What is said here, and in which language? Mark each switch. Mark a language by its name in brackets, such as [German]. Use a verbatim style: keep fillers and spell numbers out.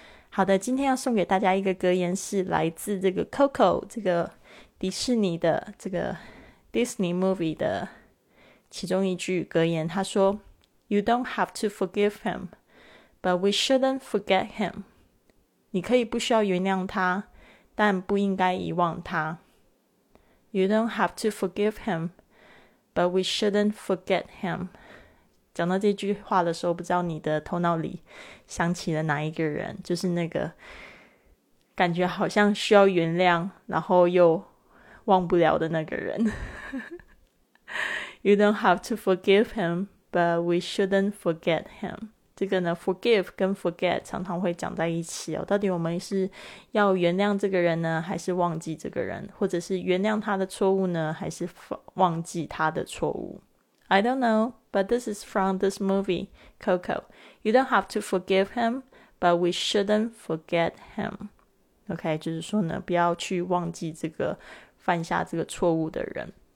[Chinese] 好的，今天要送给大家一个格言，是来自这个 Coco 这个迪士尼的这个 Disney movie 的其中一句格言，他说 [English] You don't have to forgive him,But we shouldn't forget him. [Chinese] 你可以不需要原谅他，但不应该遗忘他。 [English] You don't have to forgive him, but we shouldn't forget him. [Chinese] 讲到这句话的时候，不知道你的头脑里想起了哪一个人，就是那个感觉好像需要原谅，然后又忘不了的那个人。 [English] You don't have to forgive him, but we shouldn't forget him. [Chinese] 这个呢 forgive 跟 forget 常常会讲在一起哦。到底我们是要原谅这个人呢，还是忘记这个人，或者是原谅他的错误呢，还是忘记他的错误？ [English] I don't know, but this is from this movie, Coco. You don't have to forgive him, but we shouldn't forget him. [Chinese] OK, 就是说呢，不要去忘记这个犯下这个错误的人。